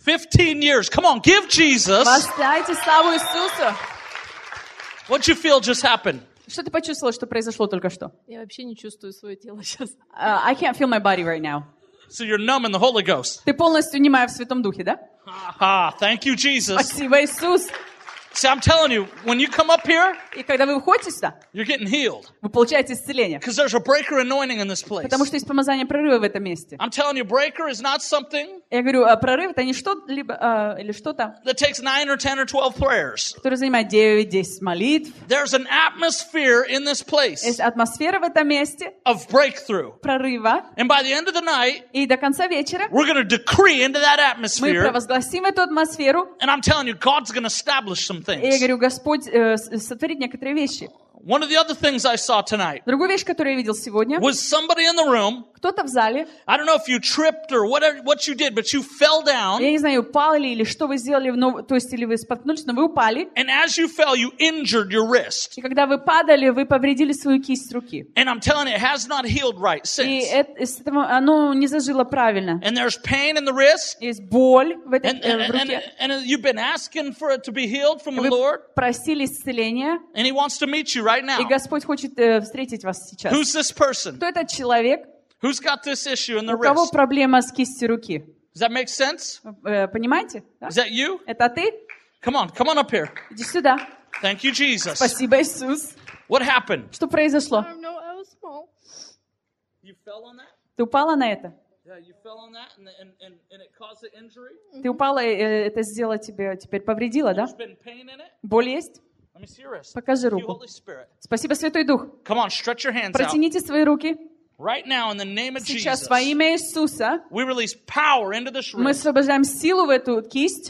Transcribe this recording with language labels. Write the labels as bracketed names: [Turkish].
[English] 15 years. Come on, give Jesus. [Russian] Воздайте славу Иисусу. [English] What you feel just happened? [Russian] Что ты почувствовала, что произошло только что? Я вообще не чувствую свое тело сейчас. [English] I can't feel my body right now. So you're numb in the Holy Ghost. [Russian] Ты полностью немая в Святом Духе, да? [English] Thank you, Jesus. [Russian] Спасибо, Иисус. [English] See, I'm telling you, when you come up here, [Russian] и когда вы выходите сюда, [English] you're getting healed. [Russian] Вы получаете исцеление. [English] Because there's a breaker anointing in this place. [Russian] Потому что есть помазание прорыва в этом месте. [English] I'm telling you, breaker is not something. [Russian] Я говорю, прорыв это не что-либо или что-то. [English] That takes 9 or 10 or 12 prayers. [Russian] Которое занимает 9-10 молитв. [English] There's an atmosphere in this place. [Russian] Есть атмосфера в этом месте. [English] Of breakthrough. [Russian] Прорыва. [English] And by the end of the night. [Russian] И до конца вечера. [English] We're going to decree into that atmosphere. [Russian] Мы провозгласим эту атмосферу. [English] And I'm telling you, God's going to establish some things. [Russian] И я говорю, Господь сотворит некоторые вещи. [English] One of the other things I saw tonight. [Russian] Другую вещь, которую я видел сегодня. [English] Was somebody in the room? [Russian] Кто-то в зале. [English] I don't know if you tripped or what you did, but you fell down. [Russian] Я не знаю, упали ли или что вы сделали, то есть или вы споткнулись, но вы упали. [English] And as you fell, you injured your wrist. [Russian] И когда вы падали, вы повредили свою кисть руки. [English] And I'm telling you, it has not healed right since. [Russian] И это оно не зажило правильно. [English] And there's pain in the wrist. [Russian] Есть боль в этой руке. [English] And you've been asking for it to be healed from the Lord. [Russian] Вы просили исцеления. [English] And He wants to meet you right now. [Russian] И Господь хочет встретить вас сейчас. [English] Who's this person? [Russian] Кто этот человек? [English] Who's got this issue in the wrist? [Russian] У кого проблема с кистью руки? [English] Does that make sense? [Russian] Понимаете? Да? [English] Is that you? [Russian] Это ты? [English] Come on up here. [Russian] Иди сюда. [English] Thank you, Jesus. [Russian] Спасибо, Иисус. [English] What happened? [Russian] Что произошло? [English] I don't know, I was small. You fell on that? [Russian] Ты упала на это? [English] Yeah, you fell on that and it caused an injury? [Russian] Ты упала, это сделало тебе, теперь повредило, да? [English] There's been pain in it? [Russian] Боль есть? [English] Let me see your wrist. [Russian] Покажи руку. [English] Thank you, Holy Spirit. [Russian] Спасибо, Святой Дух. [English] Come on, stretch your hands [Russian] Протяните [English] out. [Russian] Свои руки. [English] Right now, in the name of [Russian] Сейчас [English] Jesus, [Russian] во имя Иисуса, [English] we release power into this wrist. [Russian] Мы освобождаем силу в эту кисть.